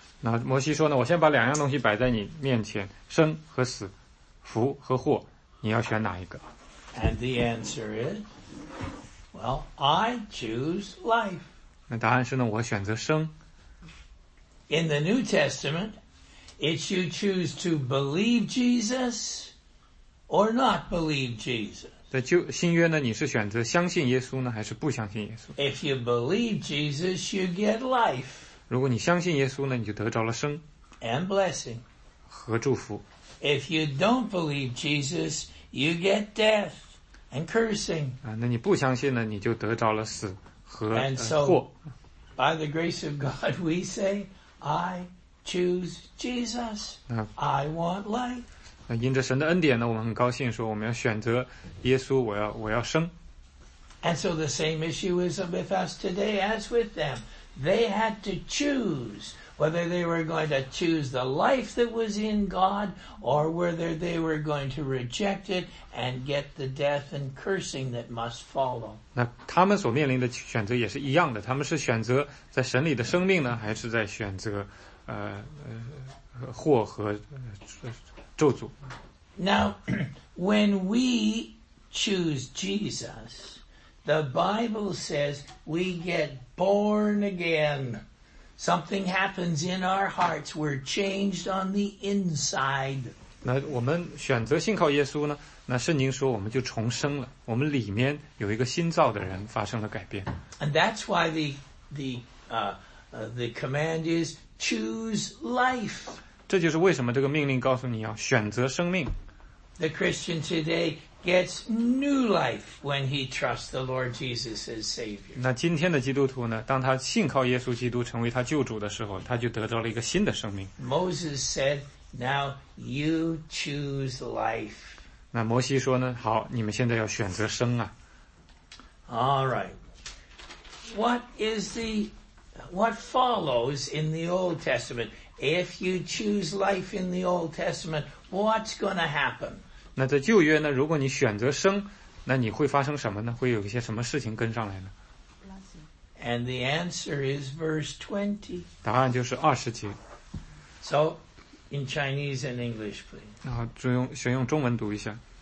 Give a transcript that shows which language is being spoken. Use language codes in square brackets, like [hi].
[zh] 那摩西说呢，我先把两样东西摆在你面前，生和死，福和祸，你要选哪一个？ [en] And the answer is, well, I choose life. [zh] 那答案是呢，我选择生。 [en] In the New Testament, it's you choose to believe Jesus or not believe Jesus. [zh] 在旧新约呢，你是选择相信耶稣呢，还是不相信耶稣？ [en] If you believe Jesus, you get life. [zh] 如果你相信耶稣呢，你就得着了生 [en] and blessing [zh] 和祝福。 [en] If you don't believe Jesus, you get death and cursing. [zh] 啊，那你不相信呢，你就得着了死和祸。 [en] And so, by the grace of God, we say, I choose Jesus. I want life. [zh] 那因着神的恩典呢，我们很高兴说，我们要选择耶稣，我要生。 [en] And so the same issue is with us today as with them. They had to choose whether they were going to choose the life that was in God or whether they were going to reject it and get the death and cursing that must follow. [zh] 那他们所面临的选择也是一样的，他们是选择在神里的生命呢，还是在选择祸和咒诅。 [en] Now, when we choose Jesus,The Bible says we get born again. Something happens in our hearts. We're changed on the inside. [zh] 那我们选择信靠耶稣呢？那圣经说我们就重生了。我们里面有一个新造的人发生了改变。 [en] And that's why the command is choose life. [zh] 这就是为什么这个命令告诉你要选择生命。 [en] The Christian today. Gets new life when he trusts the Lord Jesus as Savior. [zh] 那今天的基督徒呢？当他信靠耶稣基督成为他救主的时候，他就得到了一个新的生命。 [en] Moses said, "Now you choose life." [zh] 那摩西说呢？好，你们现在要选择生啊。 [en] All right. What follows in the Old Testament? If you choose life in the Old Testament, what's going to happen? [zh] 那在旧约呢，如果你选择生，那你会发生什么呢？会有一些什么事情跟上来呢？ [en] And the answer is verse 20. [zh] 答案就是二十节。 [en] So, in Chinese and English, please. [zh] 然后选用中文读一下。